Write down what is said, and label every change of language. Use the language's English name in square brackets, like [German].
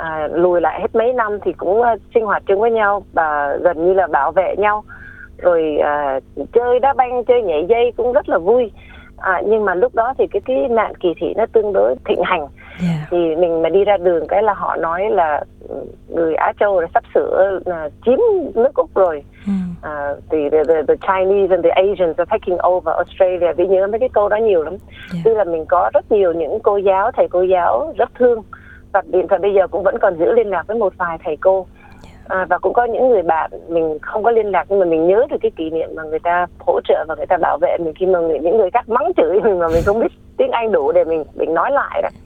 [Vietnamese] Lùi lại hết mấy năm thì cũng sinh hoạt chung với nhau và gần như là bảo vệ nhau. Rồi chơi đá banh, chơi nhảy dây cũng rất là vui. Nhưng mà lúc đó thì cái nạn kỳ thị nó tương đối thịnh hành. Yeah. Thì mình mà đi ra đường cái là họ nói là người Á Châu là sắp sửa chiếm nước Úc rồi. [English] The Chinese and the Asians are taking over Australia. [Vietnamese] Vì nhớ mấy cái câu đó nhiều lắm. Yeah. Tức là mình có rất nhiều những cô giáo, thầy cô giáo rất thương. Và điện thoại bây giờ cũng vẫn còn giữ liên lạc với một vài thầy cô. Và cũng có những người bạn mình không có liên lạc, nhưng mà mình nhớ được cái kỷ niệm mà người ta hỗ trợ và người ta bảo vệ mình khi mà những người khác mắng chửi mình mà mình không biết tiếng Anh đủ để mình nói lại đó.